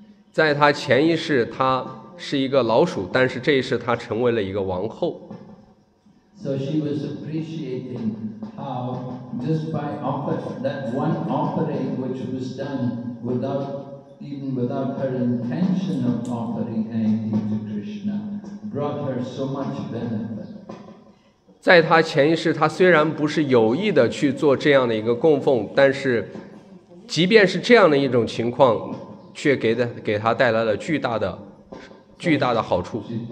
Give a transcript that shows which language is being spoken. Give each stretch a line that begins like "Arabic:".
Chinese: 在她前一世她是一个老鼠，但是这一世她成为了一个王后。
English: So she was appreciating how just by offer that one offering which was done without even without her intention of offering anything to Krishna brought her so much benefit.
Chinese: 在他前一世，他虽然不是有意的去做这样的一个供奉，但是即便是这样的一种情况，却给他带来了巨大的好处。